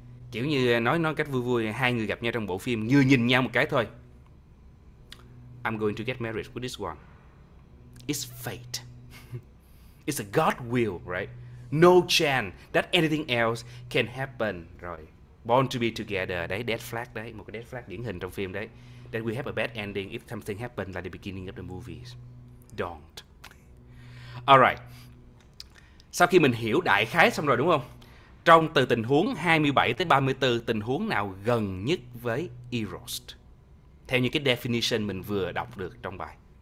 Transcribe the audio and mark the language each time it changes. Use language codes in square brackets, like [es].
[vi] Kiểu như nói cách vui vui, hai người gặp nhau trong bộ phim, như nhìn nhau một cái thôi. [en] I'm going to get married with this one. It's fate. It's a God will, right? No chance that anything else can happen, right? Born to be together, [vi] đấy, dead flag đấy, một cái dead flag điển hình trong phim đấy. [en] That we have a bad ending if something happened like the beginning of the movies. Don't. All right. [vi] Sau khi mình hiểu đại khái xong rồi đúng không? Trong từ tình huống 27 tới 34, tình huống nào gần nhất với Eros? Theo như cái definition mình vừa đọc được trong bài.